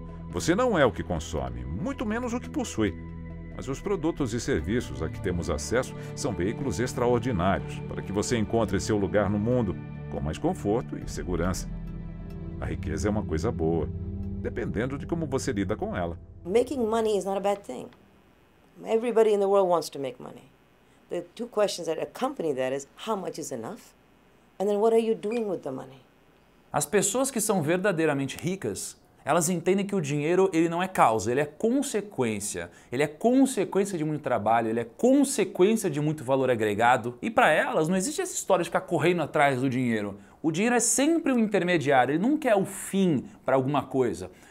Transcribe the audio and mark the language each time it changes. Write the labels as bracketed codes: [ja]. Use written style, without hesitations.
[pt] Você não é o que consome, muito menos o que possui. Mas os produtos e serviços a que temos acesso são veículos extraordinários para que você encontre seu lugar no mundo com mais conforto e segurança. A riqueza é uma coisa boa, dependendo de como você lida com ela. [en] Making money is not a bad thing. Everybody in the world wants to make money. The two questions that accompany that is how much is enough? And then what are you doing with the money? [pt] As pessoas que são verdadeiramente ricas, elas entendem que o dinheiro ele não é causa, ele é consequência. Ele é consequência de muito trabalho, ele é consequência de muito valor agregado. E para elas, não existe essa história de ficar correndo atrás do dinheiro. O dinheiro é sempre um intermediário, ele nunca é o fim para alguma coisa.